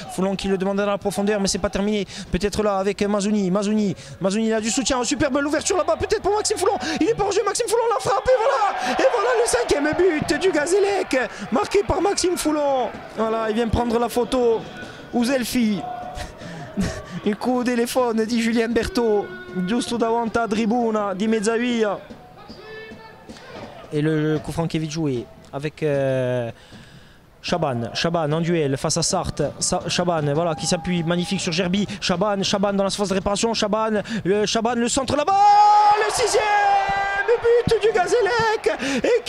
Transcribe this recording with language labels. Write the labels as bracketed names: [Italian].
[French] Foulon qui le demandait dans la profondeur, mais c'est pas terminé. Peut-être là avec Mazouni, il a du soutien. Superbe l'ouverture là-bas, peut-être pour Maxime Foulon. Il est pas en jeu, Maxime Foulon l'a frappé, voilà. Et voilà le 5e but du Gazélec, marqué par Maxime Foulon. Voilà, il vient prendre la photo. Ou Zelfi. Un coup au téléphone, dit Julien Berthaud. [Italian] Giusto davanti alla tribuna, di Mezzavia. [French] Et le coup franc qui est vite joué. Avec Chaban en duel face à Sarthe. Chaban, voilà, qui s'appuie magnifique sur Gerbi. Chaban dans la surface de réparation. Chaban, le centre là-bas. Le 6e but du Gazélec.